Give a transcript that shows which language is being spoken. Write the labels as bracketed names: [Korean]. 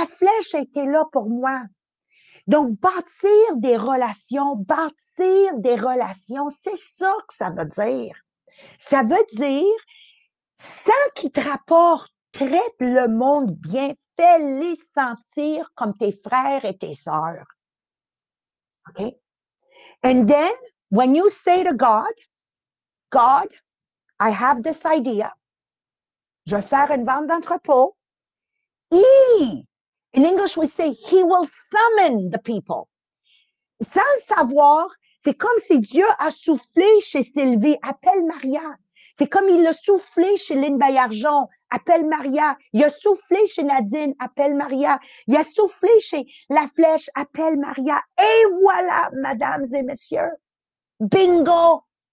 [French] La flèche a été là pour moi. Donc, bâtir des relations, c'est ça que ça veut dire. Ça veut dire, sans qu'il te rapporte, traite le monde bien, fais-les sentir comme tes frères et tes sœurs. OK? [English] And then, when you say to God, God, I have this idea. [French] Je vais faire une vente d'entrepôt. [English] In English, we say, he will summon the people. [French] Sans le savoir, c'est comme si Dieu a soufflé chez Sylvie, appelle Maria. C'est comme il a soufflé chez Lynn Paillargeon, appelle Maria. Il a soufflé chez Nadine, appelle Maria. Il a soufflé chez La Flèche, appelle Maria. Et voilà, mesdames et messieurs. Bingo.